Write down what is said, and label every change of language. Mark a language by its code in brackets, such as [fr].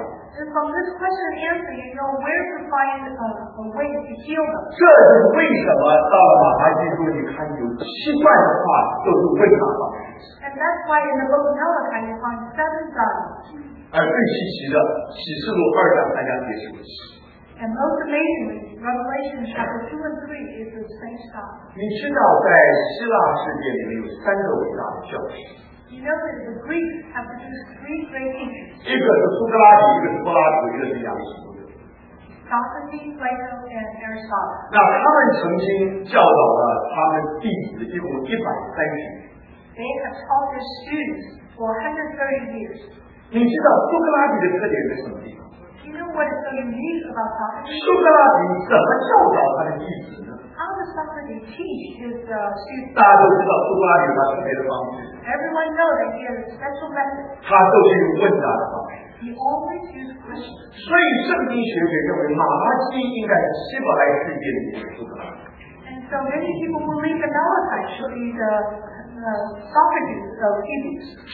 [en] And from this question and answer, you know where to find a way to heal them. [zh] 这是为什么到了马太基督，你看有七段的话都是问答方式。 [en] And that's why in the book of Malachi, you find seven dialogues. [zh] 而最稀奇的启示录二章三章也是如此。 [en] And most amazingly, Revelation chapter 2 and 3 is the same stuff. [zh] 你知道在希腊世界里面有三个伟大的教师。 [en] You know that the Greeks have produced three great teachers. [zh] 一个是苏格拉底，一个是柏拉图，一个是亚里士多德。 [en] Socrates, Plato, and Aristotle. [zh] 那他们曾经教导了他们弟子的一共130年。 [en] They have taught their students for 130 years. [zh] 你知道苏格拉底的特点在什么地方？ [en] Do you know what is so unique about Socrates? [zh] 苏格拉底怎么教导他的弟子呢？ [en] How does Socrates teach his students? [zh] 大家都知道苏格拉底他特别的方式。 [en] Everyone knows that he has a special method. [zh] 他都是用问答的方式。 [en] He always uses questions. [zh] 所以圣经学者认为马拉基应该是希伯来世界里面的苏格拉底。 [en] And so many people believe that Malachi should be the Socrates of Hebrews.